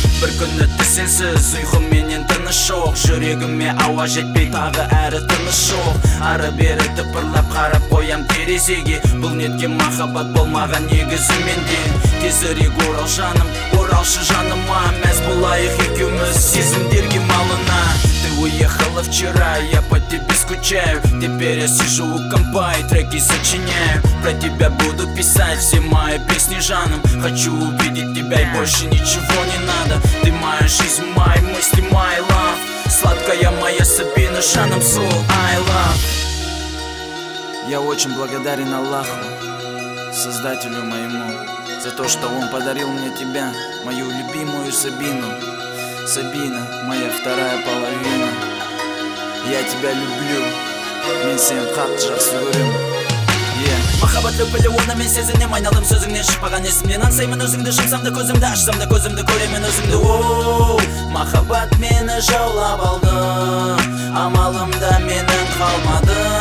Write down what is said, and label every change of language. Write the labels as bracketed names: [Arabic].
[Kazakh] Бір күні түсенсіз, ұйқым менен тыныш жоқ. Жүрегіме ауа жетпей тағы әрі тыныш жоқ. Ары бері тыпырлап қарап қоям терезеге. Бұл неткен махаббат болмаған негізі менде. Тезірек орал жаным, оралшы жаныма. Мәз болайық екеуміз сезімдерге малына. [Russian] Уехала вчера, я по тебе скучаю. Теперь я сижу у компа и треки сочиняю. Про тебя буду писать все мои песни жаным. Хочу увидеть тебя и больше ничего не надо. Ты моя жизнь, мои мысли, [English] my love. [Russian] Сладкая моя Сабина, жаным [English] soul, I love. [Russian] Я очень благодарен Аллаху, создателю моему, за то, что он подарил мне тебя, мою любимую Сабину. Сабина, моя вторая половина. Я тебя люблю. [Kazakh] Мен сен қатты жақсы көрем. Махаббатты білу оны мен сезінем, айналдым сөзіңнен шықпаған есімнен. Аңсаймын өзіңді, шықсамды көзімді, ашсамды көзімді көремін өзіңді. Махаббат мені жаулап алды, амалымда менің қалмады.